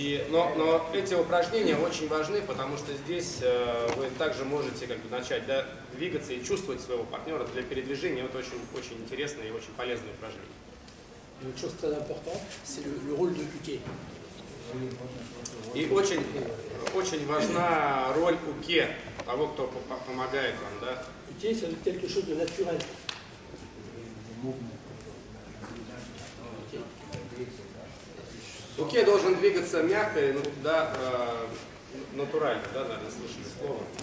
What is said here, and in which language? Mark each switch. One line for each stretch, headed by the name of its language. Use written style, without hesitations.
Russian: Но эти упражнения очень важны, потому что здесь вы также можете как бы начать, да, двигаться и чувствовать своего партнера для передвижения. Это очень, очень интересное и очень полезное упражнение.
French: Une chose très importante, c'est le rôle de QT.
Russian: И очень, очень важна роль уке, того, кто помогает вам, да? Уке – это
French: quelque chose de naturel.
Russian: Уке должен двигаться мягко и, да, натурально, да, наверное, слышали слово.